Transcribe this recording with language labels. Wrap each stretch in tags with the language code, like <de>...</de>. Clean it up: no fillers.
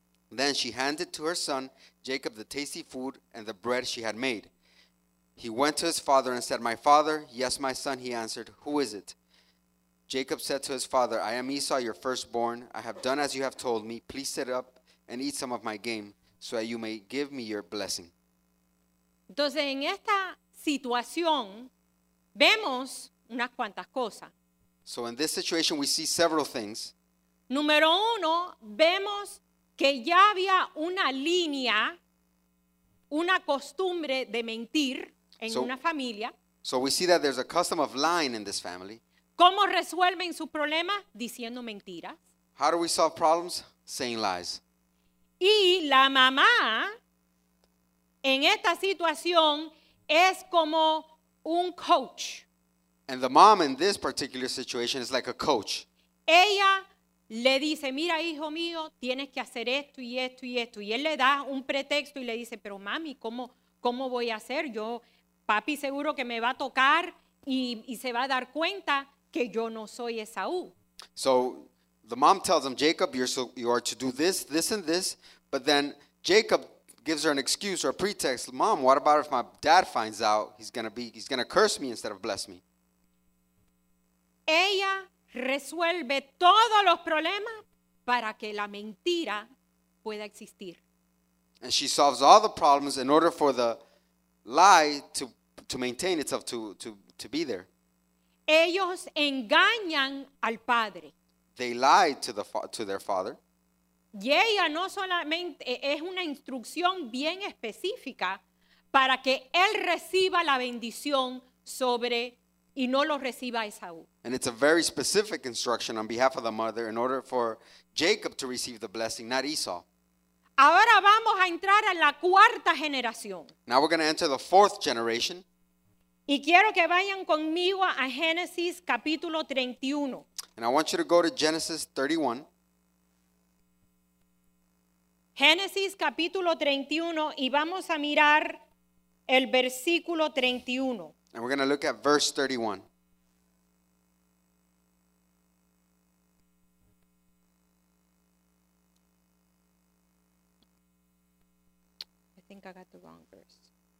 <en>Then she handed to her son, Jacob, the tasty food and the bread she had made. He went to his father and said, My father, yes, my son, he answered, Who is it? Jacob said to his father, I am Esau, your firstborn. I have done as you have told me. Please sit up and eat some of my game so that you may give me your blessing.</en> <es>Entonces, en esta situación, vemos unas cuantas cosas.</es> <en>So in this situation, we see several things.</en> <es>Número uno, vemos que ya había una línea, una costumbre de mentir en una familia.</es> <en>So we see that there's a custom of lying in this family.</en> <es>¿Cómo resuelven sus problemas? Diciendo mentiras.</es> <en>How do we solve problems? Saying lies.</en> <es>Y la mamá, en esta situación, es como un coach.</es> <en>And the mom in this particular situation is like a coach.</en> <es>Ella le dice, mira, hijo mío, tienes que hacer esto y esto y esto. Y él le da un pretexto y le dice, pero mami, ¿cómo voy a hacer? Yo, papi seguro que me va a tocar y se va a dar cuenta que yo no soy Esaú.</es> <en>So the mom tells him, Jacob, you are to do this, this, and this. But then Jacob gives her an excuse or a pretext. Mom, what about if my dad finds out? He's gonna curse me instead of bless me.</en> <es>ella resuelve todos los problemas para que la mentira pueda existir.</es> <en>And she solves all the problems in order for the lie to maintain itself, to be there.</en> <es>Ellos engañan al padre.</es> <en>They lie to their father.</en> <es>Y ella no solamente es una instrucción bien específica para que él reciba la bendición sobre y no lo reciba Esaú.</es> <en>And it's a very specific instruction on behalf of the mother in order for Jacob to receive the blessing, not Esau.</en> <es>Ahora vamos a entrar en la cuarta generación.</es> <en>Now we're going to enter the fourth generation.</en> <es>Y quiero que vayan conmigo a Génesis capítulo 31.</es> <en>And I want you to go to Genesis 31.</en> <es>Génesis capítulo 31 y vamos a mirar el versículo 31.</es> <en>And we're going to look at verse 31. I think I got the wrong verse.</en>